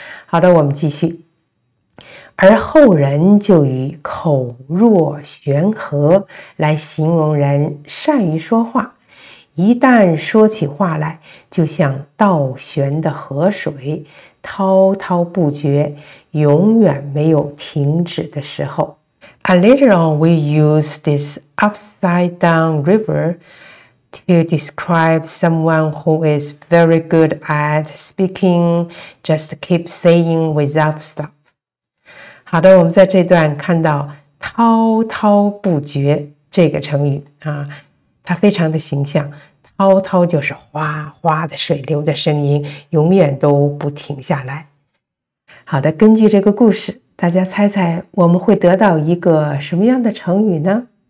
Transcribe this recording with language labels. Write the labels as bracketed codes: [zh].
[zh] 好的，我们继续。而后人就以口若悬河来形容人善于说话，一旦说起话来就像倒悬的河水，滔滔不绝，永远没有停止的时候。 [en] And later on, we use this upside-down river to describe someone who is very good at speaking, just keep saying without stop. [zh] 好的，我们在这段看到滔滔不绝这个成语啊，它非常的形象。滔滔就是哗哗的水流的声音，永远都不停下来。好的，根据这个故事，大家猜猜我们会得到一个什么样的成语呢？